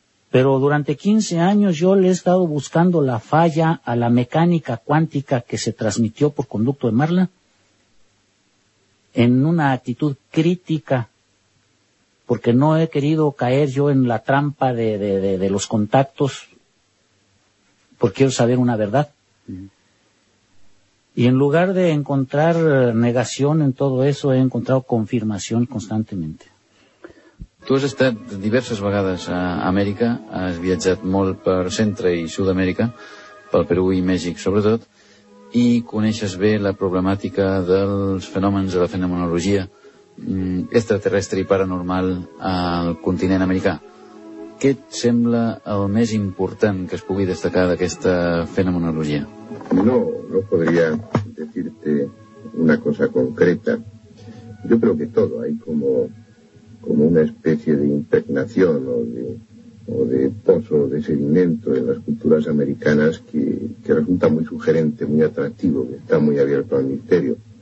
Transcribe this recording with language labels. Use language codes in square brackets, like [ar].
[es] Pero durante 15 años yo le he estado buscando la falla a la mecánica cuántica que se transmitió por conducto de Marla, en una actitud crítica, porque no he querido caer yo en la trampa de los contactos, porque quiero saber una verdad. Y en lugar de encontrar negación en todo eso, he encontrado confirmación constantemente. [ca] Tu has estat diverses vegades a Amèrica, has viatjat molt per Centre i Sud-amèrica, pel Perú i Mèxic sobretot, i coneixes bé la problemàtica dels fenòmens de la fenomenologia extraterrestre i paranormal al continent americà. Què et sembla el més important que es pugui destacar d'aquesta fenomenologia? [es] No podria decirte una cosa concreta. Yo creo que todo hay como una especie de impregnación o de pozo de sedimento en las culturas americanas que resulta muy sugerente, muy atractivo, que está muy abierto al misterio.